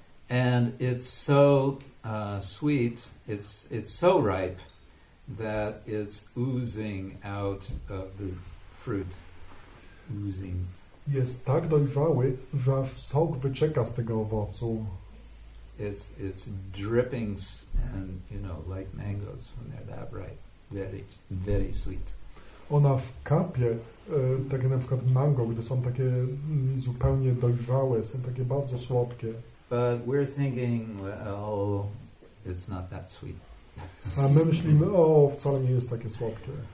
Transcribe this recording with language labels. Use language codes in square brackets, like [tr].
[en] And it's so sweet, it's so ripe that it's oozing out of the fruit, oozing. [pl] Jest tak dojrzały, że aż sok wycieka z tego owocu. [en] It's dripping and, you know, like mangoes when they're that ripe, very, very sweet. [pl] Ona w kapie, takie na przykład mango, gdy są takie zupełnie dojrzałe, są takie bardzo słodkie. [en] But we're thinking, well, it's not that sweet. [pl] A my myślimy, o, wcale nie jest takie słodkie.